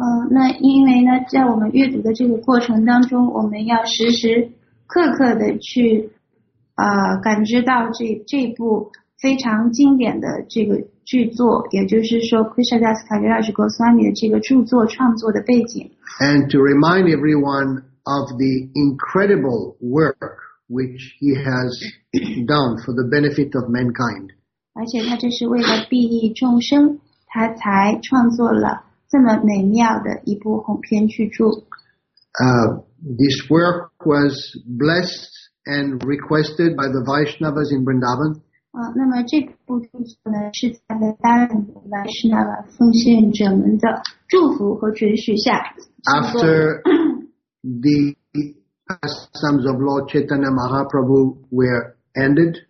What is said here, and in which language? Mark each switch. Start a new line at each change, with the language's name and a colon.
Chinese: 那因为呢，在我们阅读的这个过程当中，我们要时时刻刻的去感知到这部非常经典的这个剧作，也就是说 Krishnadas Kaviraj Goswami 的这个著作创作的背景。
English: And to remind everyone of the incredible work. Which he has done for the benefit of mankind.
Chinese: 而且他这是为了利益众生，他才创作了这么美妙的一部鸿篇巨著。
English: This work was blessed and requested by the Vaishnavas in Vrindavan.
Chinese: 那么这部著作呢，是在来答应 Vaishnava 奉献者们的祝福和准许下。
English: After the Pastimes of Lord Chaitanya Mahaprabhu were ended.